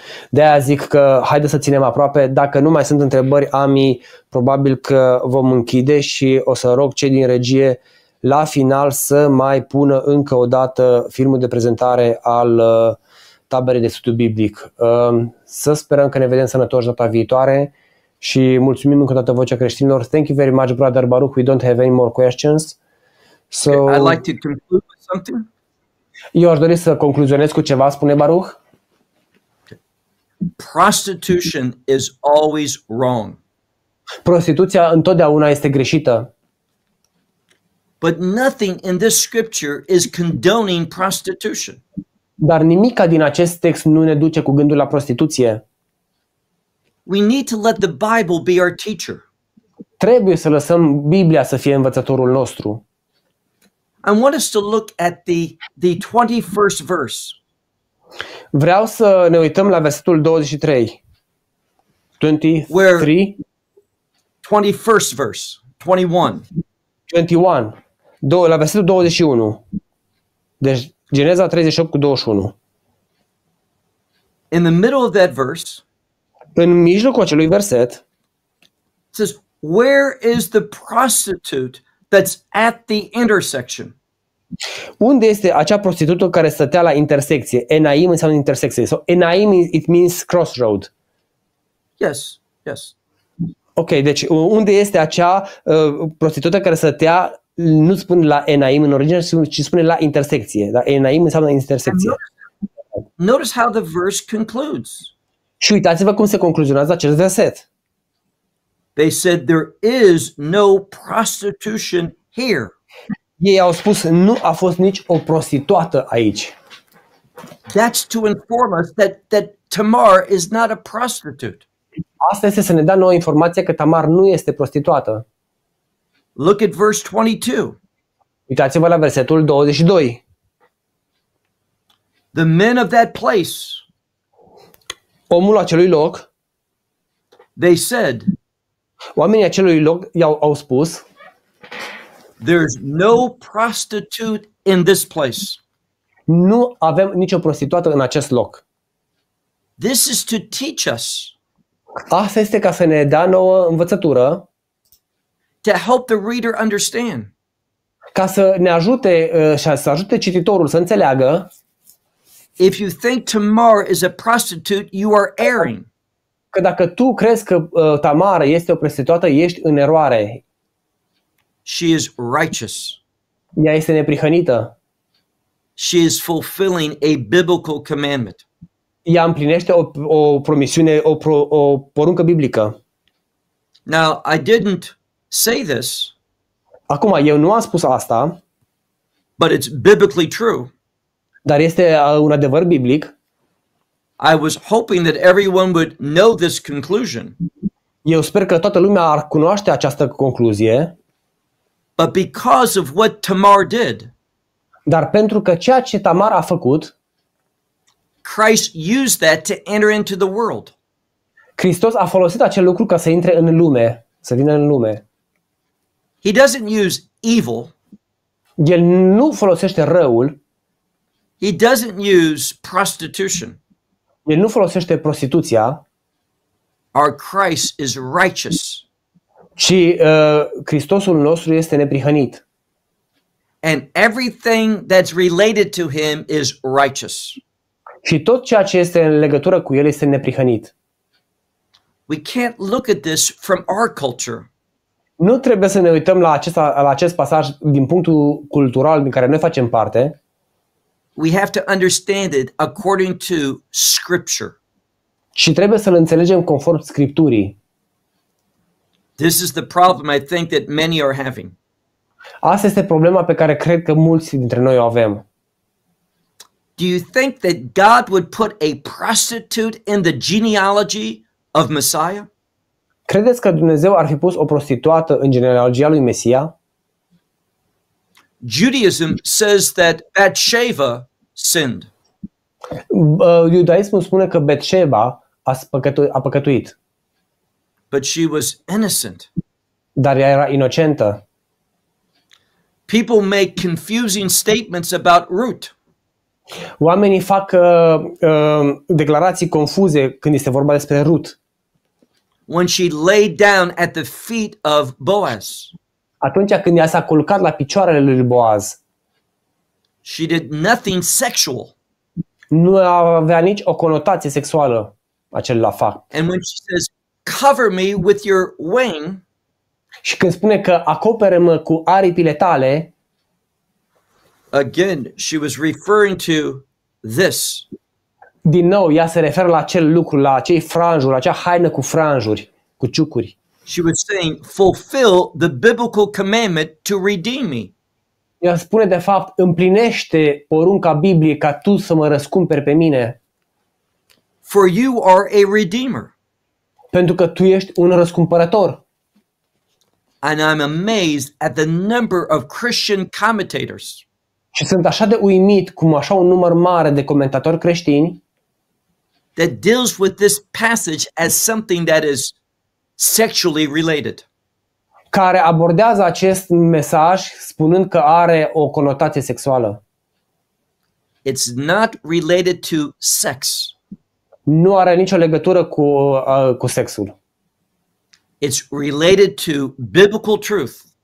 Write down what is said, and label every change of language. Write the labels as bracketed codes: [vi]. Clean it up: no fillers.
[ro] De aia zic că haide să ținem aproape. Dacă nu mai sunt întrebări, Ami, probabil că vom închide și o să rog cei din regie la final să mai pună încă o dată filmul de prezentare al taberei de studiu biblic. Să sperăm că ne vedem sănătoși data viitoare și mulțumim încă o dată Vocea Creștinilor. [en] Thank you very much, brother Baruch. We don't have any more questions. So, okay, I'd like to conclude with something. [ro] Eu aș dori să concluzionez cu ceva, spune Baruch. [en] Prostitution is always wrong. [ro] Prostituția întotdeauna este greșită. [en] But nothing in this scripture is condoning prostitution. [ro] Dar nimica din acest text nu ne duce cu gândul la prostituție. [en] We need to let the Bible be our teacher. [ro] Trebuie să lăsăm Biblia să fie învățătorul nostru. [en] I want us to look at the 21st verse. [ro] Vreau să ne uităm la versetul 23. 23. [en] Where 21st verse. 21. [ro] La versetul 21. Deci Geneza 38 cu 21. [en] In the middle of that verse, [ro] în mijlocul acelui verset, [en] it says, "Where is the prostitute that's at the intersection?" [ro] Unde este acea prostitută care stătea la intersecție? Enaim înseamnă intersecție. [en] So Enaim, it means crossroad. Yes, yes. [ro] Ok, deci unde este acea prostitută care stătea? Nu spune la Enaim în origine, ci spune la intersecție. Dar Enaim înseamnă intersecție. [en] Notice how the verse concludes. [ro] Și uitați-vă cum se concluzionează acest verset. [en] They said there is no prostitution here. [ro] Ei au spus nu a fost nici o prostituată aici. [en] That's to inform us that Tamar is not a prostitute. [ro] Asta este să ne dea nouă informație că Tamar nu este prostituată. [en] Look at verse 22. [ro] Uitați-vă la versetul 22. [en] The men of that place. [ro] Omul acelui loc. [en] They said. [ro] Oamenii acelui loc i-au spus. [en] There's no prostitute in this place. [ro] Nu avem nicio prostituată în acest loc. [en] This is to teach us. [ro] Asta este ca să ne dea nouă învățătură. [en] To help the reader understand. [ro] Ca să ne ajute și să ajute cititorul să înțeleagă. [en] If you think Tamar is a prostitute, you are erring. [ro] Că dacă tu crezi că Tamara este o prostituată, ești în eroare. [en] She is righteous. [ro] Ea este neprihănită. [en] She is fulfilling a biblical commandment. [ro] Ea împlinește o promisiune, o poruncă biblică. [en] Now, I didn't say this. [ro] Acum, eu nu am spus asta. [en] But it's biblically true. [ro] Dar este un adevăr biblic. [en] I was hoping that everyone would know this conclusion. [ro] Eu sper că toată lumea ar cunoaște această concluzie. [en] But because of what Tamar did. [ro] Dar pentru că ceea ce Tamar a făcut, [en] Christ used that to enter into the world. [ro] Hristos a folosit acel lucru ca să intre în lume, să vină în lume. [en] He doesn't use evil. [ro] El nu folosește răul. [en] He doesn't use prostitution. [ro] El nu folosește prostituția. [en] Our Christ is righteous. [ro] Ci Hristosul nostru este neprihănit. [en] And everything that's related to him is righteous. [ro] Și tot ceea ce este în legătură cu el este neprihănit. [en] We can't look at this from our culture. [ro] Nu trebuie să ne uităm la acest pasaj din punctul cultural din care noi facem parte. [en] We have to understand it according to scripture. [ro] Și trebuie să-l înțelegem conform scripturii. [en] This is the problem I think that many are having. [ro] Asta este problema pe care cred că mulți dintre noi o avem. [en] Do you think that God would put a prostitute in the genealogy of Messiah? [ro] Credeți că Dumnezeu ar fi pus o prostituată în genealogia lui Mesia? [en] Judaism says that Bathsheba sinned. [ro] Iudaismul spune că Bathsheba a păcătuit. [en] But she was innocent. [ro] Dar ea era inocentă. [en] People make confusing statements about Ruth. [ro] Oamenii fac declarații confuze când este vorba despre Ruth. [en] When she lay down at the feet of Boaz. [ro] Atunci când ea s-a culcat la picioarele lui Boaz. [en] She did nothing sexual. [ro] Nu avea nici o conotație sexuală acel la fapt. [en] And when she says, "Cover me with your wing." [ro] Și când spune că acoperă-mă cu aripile tale. [en] Again, she was referring to this. [ro] Din nou, ea se referă la acel lucru, la acei franjuri, acea haină cu franjuri, cu ciucuri. [en] She was saying, "Fulfill the biblical commandment to redeem me." [ro] Ea spune de fapt, împlinește porunca Bibliei ca tu să mă răscumperi pe mine. [en] For you are a redeemer. [ro] Pentru că tu ești un răscumpărător. [en] And I'm amazed at the number of Christian commentators. [ro] Și sunt așa de uimit cum așa un număr mare de comentatori creștini [en] that deals with this passage as something that is sexually related. [ro] Care abordează acest mesaj spunând că are o conotație sexuală. [en] It's not related to sex. [ro] Nu are nicio legătură cu sexul. [en] It's related to biblical truth.